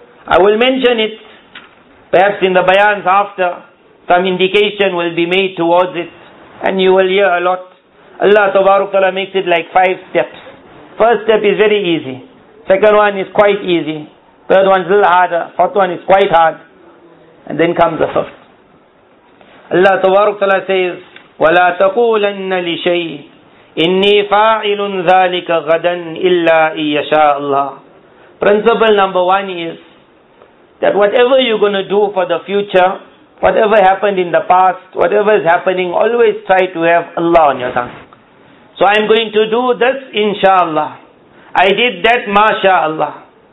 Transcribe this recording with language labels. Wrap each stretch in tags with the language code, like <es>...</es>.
<en>I will mention it, perhaps in the bayans after, some indication will be made towards it, and you will hear a lot. Allah Ta'ala makes it like five steps. First step is very easy. Second one is quite easy. Third one is a little harder. Fourth one is quite hard. And then comes the fifth. Allah Ta'ala says,</en> <ar>وَلَا تَقُولَنَّ لِشَيْءٍ إِنِّي فَاعِلٌ ذَلِكَ غَدًا إِلَّا إِن يَشَاءَ اللَّهِ.</ar> <en>Principle number one is that whatever you're going to do for the future, whatever happened in the past, whatever is happening, always try to have Allah on your tongue. So I'm going to do this, inshallah. I did that, mashallah.</en>